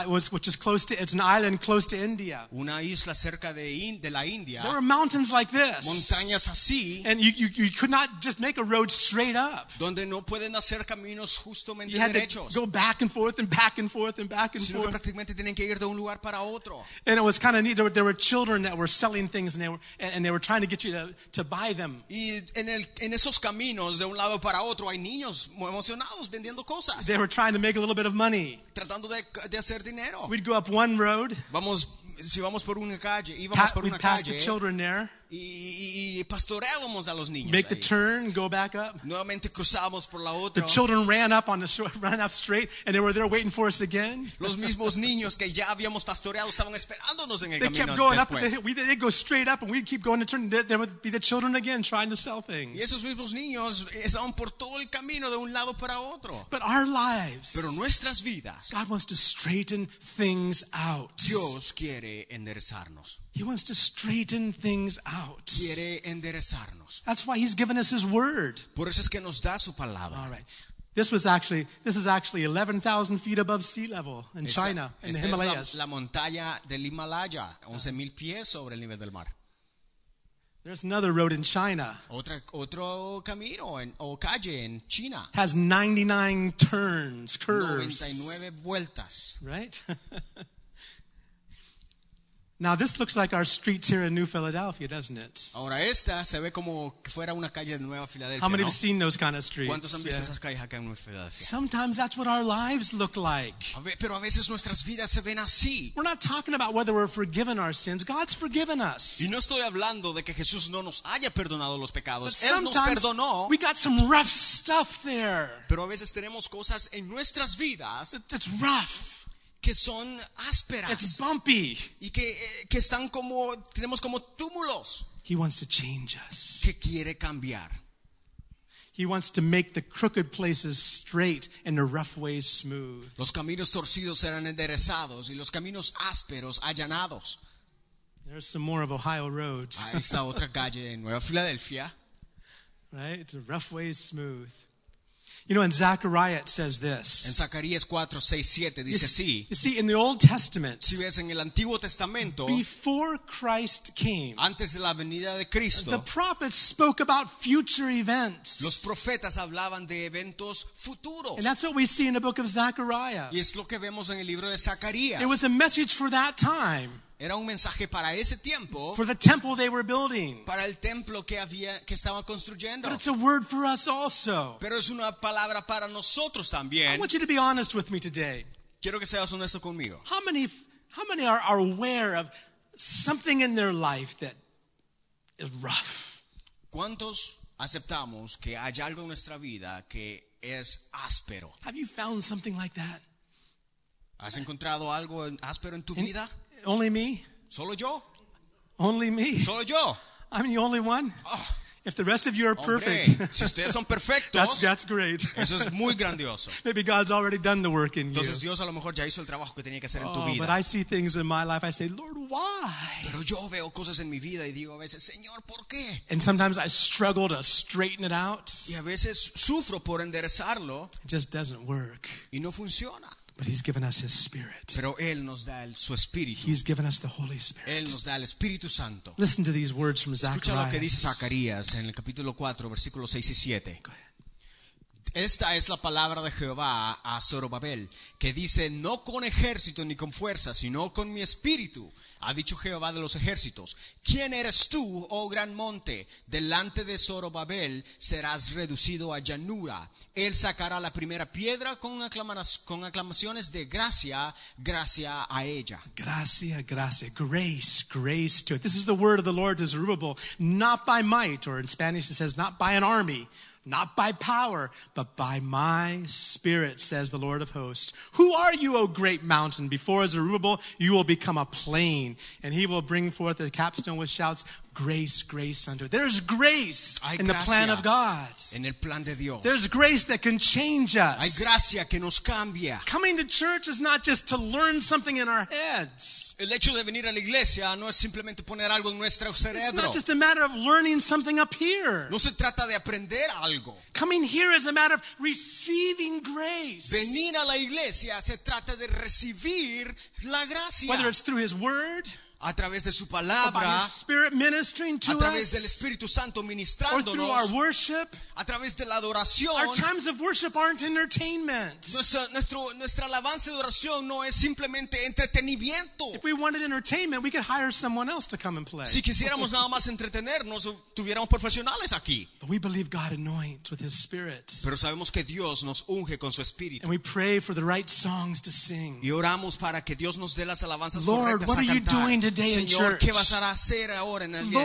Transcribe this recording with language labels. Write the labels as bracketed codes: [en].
[en] Which is close to, it's an island close to India. [es] Una isla cerca de la India. [en] There are mountains like this. [es] Montañas así. [en] And you could not just make a road straight up. [es] Donde no pueden hacer caminos justamente [en] you had [es] derechos. [en] To go back and forth and back and forth and back and [es] sino [en] forth. [es] Que prácticamente tienen que ir de un lugar para otro. [en] And it was kind of neat. There were children that were selling things and they were trying to get you to buy them. [es] Y en esos caminos de un lado para otro hay niños muy emocionados vendiendo cosas. [en] They were trying to make a little bit of money. [es] Tratando de hacer dinero. [en] We'd go up one road. [es] Vamos si vamos por una calle, íbamos por [en] we'd [es] una calle. [en] Pass the children there. [es] Y pastoreábamos a los niños. [en] Make The turn, go back up. [es] Nuevamente cruzábamos por la otra. [en] The children ran up on the short, ran up straight, and they were there waiting for us again. [es] Los mismos niños que ya habíamos pastoreado estaban esperándonos en el [en] they [es] camino [en] kept going [es] después. [en] Up, they'd go straight up, and we'd keep going to turn. There would be the children again trying to sell things. [es] Y esos mismos niños estaban por todo el camino de un lado para otro. [en] But our lives. [es] Pero nuestras vidas. [en] God wants to straighten things out. [es] Dios quiere enderezarnos. [en] He wants to straighten things out. [es] Quiere enderezarnos. [en] That's why he's given us his word. [es] Por eso es que nos da su palabra. [en] All right. This is actually 11,000 feet above sea level in China, in the Himalayas. [es] Esta es la montaña del Himalaya, 11,000 pies sobre el nivel del mar. [en] There's another road in China. [es] Otro camino o calle en China. [en] Has 99 turns, curves. [es] 99 vueltas. [en] Right? Now this looks like our streets here in New Philadelphia, doesn't it? [es] Ahora esta se ve como fuera una calle de Nueva Filadelfia. [en] How many have seen those kind of streets? [es] ¿Cuántos han visto esas calles acá en Nueva Filadelfia? [en] Sometimes that's what our lives look like. [es] Pero a veces nuestras vidas se ven así. [en] We're not talking about whether we're forgiven our sins. God's forgiven us. [es] Y no estoy hablando de que Jesús no nos haya perdonado los pecados. Él nos perdonó. [en] We got some rough stuff there. [es] Pero a veces tenemos cosas en nuestras vidas. [en] It's rough. [es] Que son ásperas. [en] It's bumpy. [es] Y que están como, tenemos como túmulos. [en] He wants to change us. [es] Que quiere cambiar. [en] He wants to make the crooked places straight and the rough ways smooth. [es] Los caminos torcidos serán enderezados y los caminos ásperos allanados. [en] There's some more of Ohio roads. [es] Ahí está otra calle en Nueva Filadelfia. [en] Right? It's a rough way smooth. You know, in Zechariah it says this. [es] En Zacarías 4:6-7 dice así. [en] You see, in the Old Testament, [es] si ves en el Antiguo Testamento, [en] before Christ came, [es] antes de la venida de Cristo, [en] the prophets spoke about future events. [es] Los profetas hablaban de eventos futuros. [en] And that's what we see in the book of Zechariah. [es] Y es lo que vemos en el libro de Zacarías. [en] It was a message for that time. [es] Era un mensaje para ese tiempo. [en] For the temple they were building. [es] Para el templo que había, que estaban construyendo. [en] But it's a word for us also. [es] Pero es una palabra para nosotros también. [en] I want you to be honest with me today. [es] Quiero que seas honesto conmigo. [en] How many are aware of something in their life that is rough? [es] ¿Cuántos aceptamos que hay algo en nuestra vida que es áspero? [en] Have you found something like that? [es] ¿Has encontrado algo áspero en tu vida? [en] Only me? [es] Solo yo? [en] Only me? [es] Solo yo? [en] I'm the only one? Oh. If the rest of you are perfect, [es] hombre, si ustedes son perfectos, [en] that's great. [es] Eso es muy grandioso. [en] Maybe God's already done the work in [es] entonces, [en] you. [es] Dios a lo mejor ya hizo el trabajo que tenía que hacer en tu vida. [en] But I see things in my life, I say, Lord, why? [es] Pero yo veo cosas en mi vida y digo a veces, Señor, ¿por qué? [en] And sometimes I struggle to straighten it out. [es] Y a veces sufro por enderezarlo. [en] It just doesn't work. [es] Y no funciona. [en] But he's given us his spirit. [es] Pero él nos da su espíritu. [en] He's given us the Holy Spirit. [es] Él nos da el Espíritu Santo. [en] Listen to these words from Zacharias. [es] Escucha lo que dice Zacarías en el capítulo 4, versículos 6 y 7. Esta es la palabra de Jehová a Zorobabel, que dice, no con ejército ni con fuerza, sino con mi espíritu, ha dicho Jehová de los ejércitos. ¿Quién eres tú, oh gran monte? Delante de Zorobabel serás reducido a llanura. Él sacará la primera piedra con aclamaciones de gracia, gracia a ella. Gracia, gracia, [en] grace, grace to it. This is the word of the Lord to Zerubbabel, not by might, or in Spanish it says, not by an army. Not by power, but by my spirit, says the Lord of hosts. Who are you, O great mountain? Before Zerubbabel, you will become a plain. And he will bring forth a capstone with shouts, grace, grace unto it. There's grace in the plan of God. [es] En el plan de Dios. [en] There's grace that can change us. [es] Hay gracia que nos cambia. [en] Coming to church is not just to learn something in our heads. [es] El hecho de venir a la iglesia no es simplemente poner algo en nuestro cerebro. [en] It's not just a matter of learning something up here. [es] No se trata de aprender algo. [en] Coming here is a matter of receiving grace. [es] Venir a la iglesia se trata de recibir la gracia. [en] Whether it's through his word. [es] A través de su palabra, [en] to [es] a través [en] us, [es] del Espíritu Santo ministrándonos, [en] our worship, [es] a través de la adoración, [en] our times of worship aren't entertainment. [es] Nuestra alabanza y adoración no es simplemente entretenimiento. [en] If we wanted entertainment, we could hire someone else to come and play. [es] Si quisiéramos nada más entretenernos, tuviéramos profesionales aquí. [en] But we believe God anoints with His Spirit. [es] Pero sabemos que Dios nos unge con su Espíritu. [en] And we pray for the right songs to sing. [es] Y oramos para que Dios nos dé las alabanzas [en] Lord, [es] correctas [en] what Are you doing? [es] Señor, ¿qué vas a hacer ahora en la iglesia?